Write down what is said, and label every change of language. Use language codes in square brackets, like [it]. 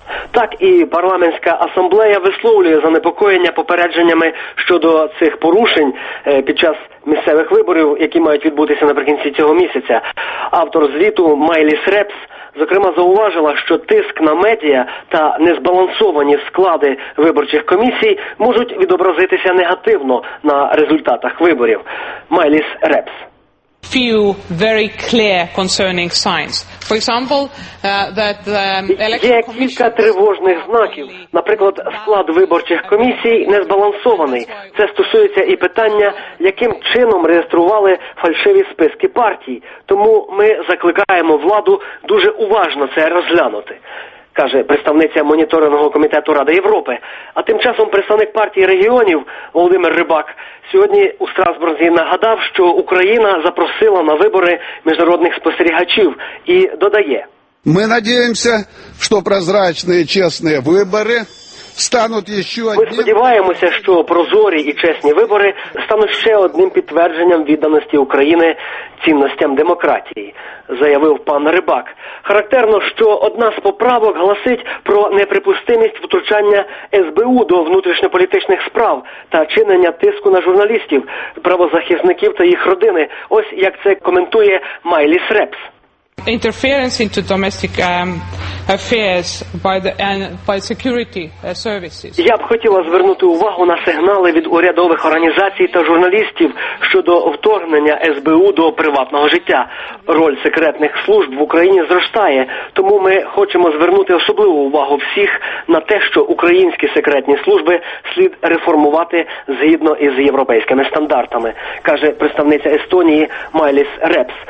[uk] Так, і парламентська асамблея висловлює занепокоєння попередженнями щодо цих порушень під час місцевих виборів, які мають відбутися наприкінці цього місяця. Автор звіту Майліс Репс, зокрема, зауважила, що тиск на медіа та незбалансовані склади виборчих комісій можуть відобразитися негативно на результатах виборів. Майліс Репс. [en] Few very clear concerning signs. For example, that the election commission... [uk] Є кілька тривожних знаків. Наприклад, склад виборчих комісій незбалансований. Це стосується і питання, яким чином реєстрували фальшиві списки партій. Тому ми закликаємо владу дуже уважно це розглянути, каже представниця моніторингового комітету Ради Європи. А тим часом представник партії регіонів Володимир Рибак сьогодні у Страсбурзі нагадав, що Україна запросила на вибори міжнародних спостерігачів, і додає: ми сподіваємося, що прозорі і чесні вибори стануть ще одним. Ми сподіваємося, що прозорі і чесні вибори стануть ще одним підтвердженням відданості України цінностям демократії, заявив пан Рибак. Характерно, що одна з поправок гласить про неприпустимість втручання СБУ до внутрішньополітичних справ та чинення тиску на журналістів, правозахисників та їх родини. Ось як це коментує Майліс Репс. [en] Interference into domestic affairs by security services. [uk] Я б хотіла звернути увагу на сигнали від урядових організацій та журналістів щодо вторгнення СБУ до приватного життя. Роль секретних служб в Україні зростає, тому ми хочемо звернути особливу увагу всіх на те, що українські секретні служби слід реформувати згідно із європейськими стандартами, каже представниця Естонії Майліс Репс.